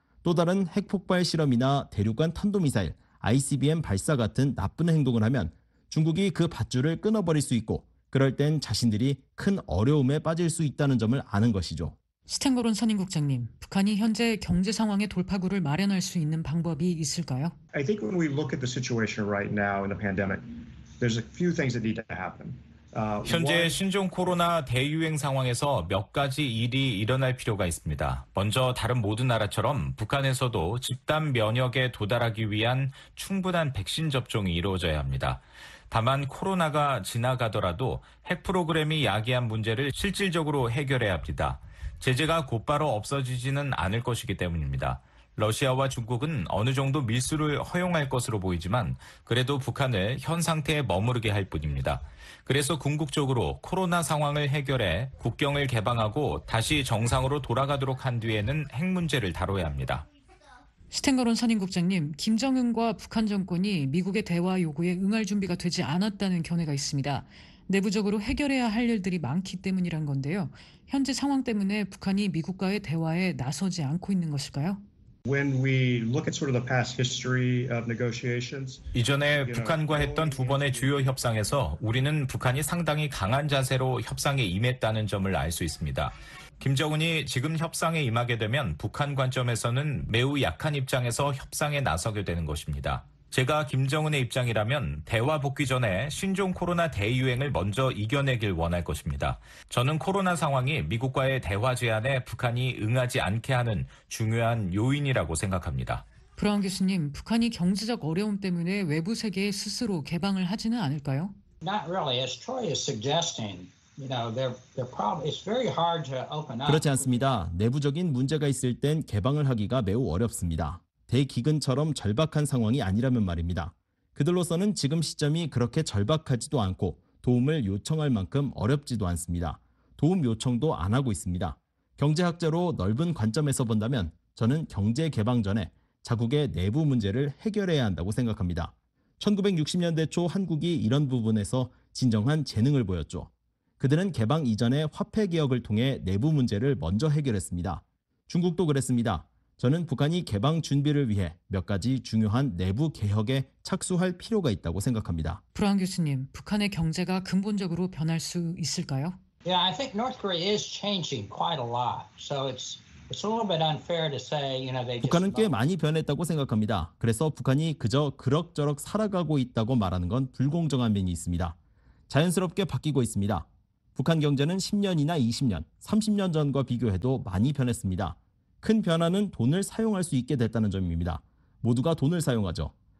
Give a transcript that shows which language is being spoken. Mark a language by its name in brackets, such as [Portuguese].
[Korean] 또 다른 핵폭발 실험이나 대륙간 탄도미사일, ICBM 발사 같은 나쁜 행동을 하면 중국이 그 밧줄을 끊어버릴 수 있고 그럴 땐 자신들이 큰 어려움에 빠질 수 있다는 점을 아는 것이죠. 스탠거론 선임 국장님, 북한이 현재 경제 상황의 돌파구를 마련할 수 있는 방법이 있을까요? [English] I think when we look at the situation right now in the pandemic, there's a few things that need to happen. [Korean] 현재 신종 코로나 대유행 상황에서 몇 가지 일이 일어날 필요가 있습니다. 먼저 다른 모든 나라처럼 북한에서도 집단 면역에 도달하기 위한 충분한 백신 접종이 이루어져야 합니다. 다만 코로나가 지나가더라도 핵 프로그램이 야기한 문제를 실질적으로 해결해야 합니다. 제재가 곧바로 없어지지는 않을 것이기 때문입니다. 러시아와 중국은 어느 정도 밀수를 허용할 것으로 보이지만 그래도 북한을 현 상태에 머무르게 할 뿐입니다. 그래서 궁극적으로 코로나 상황을 해결해 국경을 개방하고 다시 정상으로 돌아가도록 한 뒤에는 핵 문제를 다뤄야 합니다. 스탠거론 선임 국장님, 김정은과 북한 정권이 미국의 대화 요구에 응할 준비가 되지 않았다는 견해가 있습니다. 내부적으로 해결해야 할 일들이 많기 때문이란 건데요. 현재 상황 때문에 북한이 미국과의 대화에 나서지 않고 있는 것일까요? [English] When we look at sort of the past history of negotiations, [Korean] 이전에 북한과 했던 두 번의 주요 협상에서 우리는 북한이 상당히 강한 자세로 협상에 임했다는 점을 알 수 있습니다. 김정은이 지금 협상에 임하게 되면 북한 관점에서는 매우 약한 입장에서 협상에 나서게 되는 것입니다. 제가 김정은의 입장이라면 대화 복귀 전에 신종 코로나 대유행을 먼저 이겨내길 원할 것입니다. 저는 코로나 상황이 미국과의 대화 제안에 북한이 응하지 않게 하는 중요한 요인이라고 생각합니다. 브라운 교수님, 북한이 경제적 어려움 때문에 외부 세계에 스스로 개방을 하지는 않을까요? [English] Not really. As Troy is suggesting, you know, their problem is very hard to open up. [Korean] 그렇지 않습니다. 내부적인 문제가 있을 땐 개방을 하기가 매우 어렵습니다. 대기근처럼 절박한 상황이 아니라면 말입니다. 그들로서는 지금 시점이 그렇게 절박하지도 않고 도움을 요청할 만큼 어렵지도 않습니다. 도움 요청도 안 하고 있습니다. 경제학자로 넓은 관점에서 본다면 저는 경제 개방 전에 자국의 내부 문제를 해결해야 한다고 생각합니다. 1960년대 초 한국이 이런 부분에서 진정한 재능을 보였죠. 그들은 개방 이전에 화폐 개혁을 통해 내부 문제를 먼저 해결했습니다. 중국도 그랬습니다. 저는 북한이 개방 준비를 위해 몇 가지 중요한 내부 개혁에 착수할 필요가 있다고 생각합니다. 브라운 교수님, 북한의 경제가 근본적으로 변할 수 있을까요? [English] Yeah, I think North Korea is changing quite a lot. So it's a little bit unfair to say, you know, they just [Korean] 북한은 꽤 많이 변했다고 생각합니다. 그래서 북한이 그저 그럭저럭 살아가고 있다고 말하는 건 불공정한 면이 있습니다. 자연스럽게 바뀌고 있습니다. 북한 경제는 10년이나 20년, 30년 전과 비교해도 많이 변했습니다. 큰 변화는 돈을 사용할 수 있게 됐다는 점입니다. 모두가 돈을 사용하죠.